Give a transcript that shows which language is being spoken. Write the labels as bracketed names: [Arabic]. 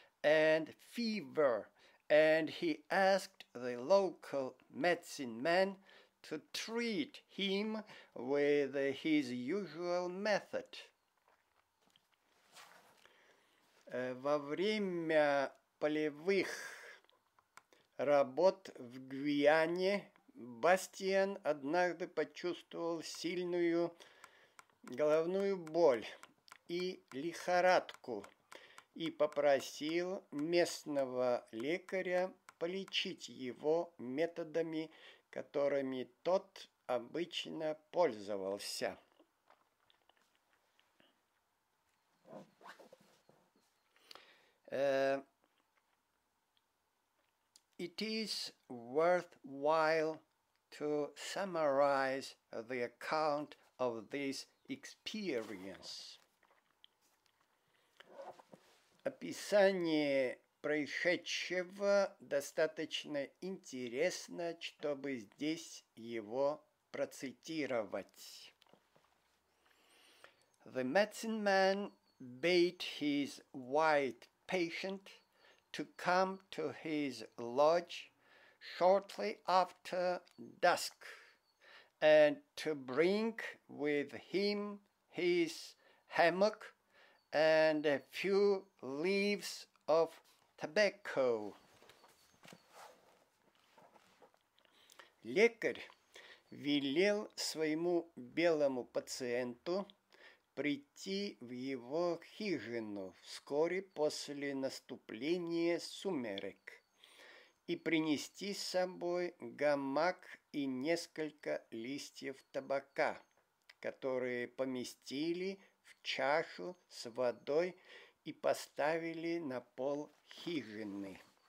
[English] and fever, and he asked the local medicine man to treat him with his usual method. [Russian] Во время полевых работ в Гвиане Бастиан однажды почувствовал сильную головную боль и лихорадку и попросил местного лекаря полечить его методами, которыми тот обычно пользовался. [English] It is worthwhile to summarize the account of this experience. [Russian] Описание происшедшего достаточно интересно, чтобы здесь его процитировать. [English] The medicine man bade his white patient to come to his lodge shortly after dusk and to bring with him his hammock and a few leaves of tobacco. [Russian] Лекарь велел своему белому пациенту прийти в его хижину вскоре после наступления сумерек и принести с собой гамак и несколько листьев табака, которые поместили в чашу с водой и поставили на пол хижины.